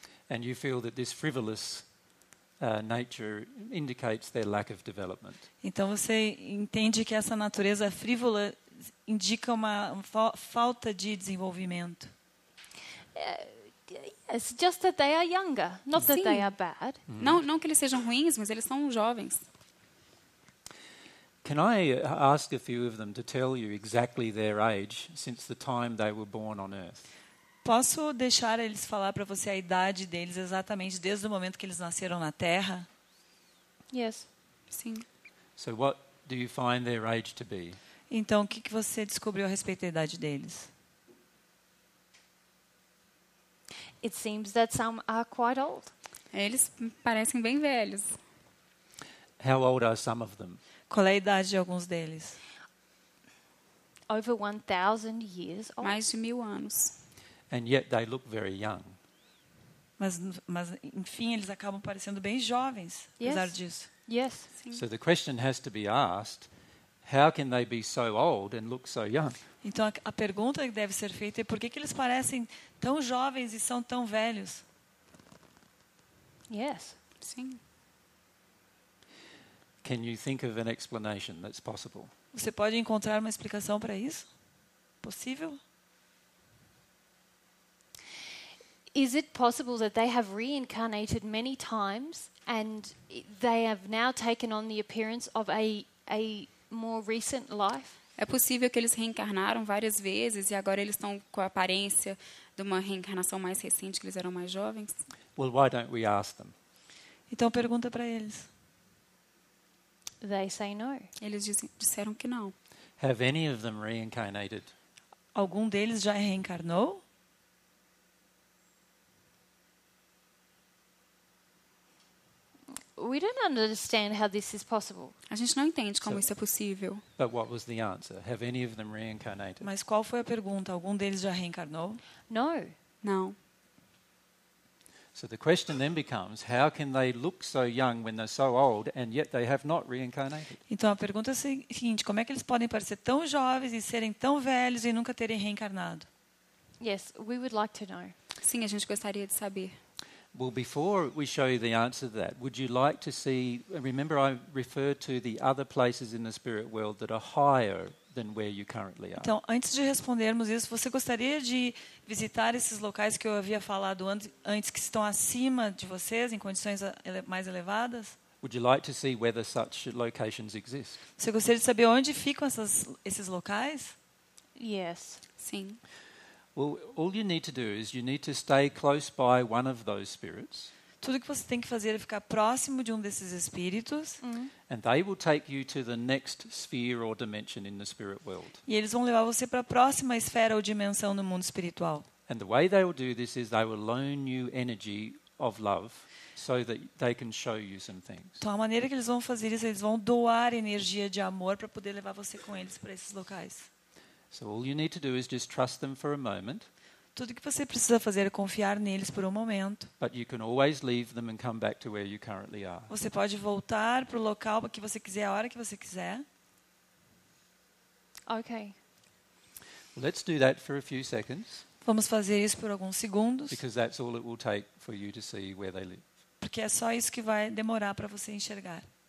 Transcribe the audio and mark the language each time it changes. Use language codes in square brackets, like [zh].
[en] And you feel that this frivolous nature indicates their lack of development. [pt] Então você entende que essa natureza frívola indica uma falta de desenvolvimento. [en] It's just that they are younger, not that they are bad. [pt] Não que eles sejam ruins, mas eles são jovens. [en] Can I ask a few of them to tell you exactly their age since the time they were born on earth? [pt] Posso deixar eles falar para você a idade deles exatamente desde o momento que eles nasceram na Terra? [en] Yes. [pt] Sim. [en] So what do you find their age to be? [pt] Então, o que você descobriu a respeito da idade deles? [en] It seems that some are quite old. [pt] Eles parecem bem velhos. [en] How old are some of them? [pt] Qual é a idade de alguns deles? [en] Over 1,000 years old. [pt] Mais de 1,000 anos. [en] And yet they look very young. [pt] Mas enfim, eles acabam parecendo bem jovens, [en] yes. [pt] Apesar disso. [en] Yes. So the question has to be asked, how can they be so old and look so young? [pt] Então a pergunta que deve ser feita é por que eles parecem tão jovens e são tão velhos? [en] Yes. [pt] Sim. [en] Can you think of an explanation that's possible? [pt] Você pode encontrar uma explicação para isso? Possível? [en] Is it possible that they have reincarnated many times and they have now taken on the appearance of a more recent life? [pt] É possível que eles reencarnaram várias vezes e agora eles estão com a aparência de uma reencarnação mais recente, que eles eram mais jovens? [en] Well, why don't we ask them? [pt] Então pergunta para eles. [en] They say no. [pt] Eles disseram que não. [en] Have any of them reincarnated? [pt] Algum deles já reencarnou? [en] We don't understand how this is possible. [pt] A gente não entende como isso é possível. [en] But what was the answer? Have any of them reincarnated? [pt] Mas qual foi a pergunta? Algum deles já reencarnou? [en] No. [pt] Não. [en] So the question then becomes, how can they look so young when they're so old and yet they have not reincarnated? [pt] Então a pergunta é a seguinte, como é que eles podem parecer tão jovens e serem tão velhos e nunca terem reencarnado? [en] Yes, we would like to know. [pt] Sim, a gente gostaria de saber. [en] Well, before we show you the answer to that, would you like to see, remember I referred to the other places in the spirit world that are higher than where you currently are. [pt] Então, antes de respondermos isso, você gostaria de visitar esses locais que eu havia falado antes que estão acima de vocês, em condições mais elevadas? [en] Would you like to see whether such locations exist? [pt] Você gostaria de saber onde ficam esses locais? [en] Yes. [pt] Sim. [en] Well, all you need to do is you need to stay close by one of those spirits. [pt] Tudo que você tem que fazer é ficar próximo de um desses espíritos. [en] And they will take you to the next sphere or dimension in the spirit world. [pt] E eles vão levar você para a próxima esfera ou dimensão no mundo espiritual. [en] And the way they will do this is they will loan you energy of love so that they can show you some things. [pt] Então a maneira que eles vão fazer isso, eles vão doar energia de amor para poder levar você com eles para esses locais. [en] So all you need to do is just trust them for a moment. [pt] Tudo que você precisa fazer é confiar neles por um momento. [en] But you can always leave them and come back to where you currently are. [pt] Você pode voltar para o local que você quiser a hora que você quiser. [en] Okay. Let's do that for a few seconds. [pt] Vamos fazer isso por alguns segundos. [en] Because that's all it will take for you to see where they live. [pt] Porque é só isso que vai demorar para você enxergar.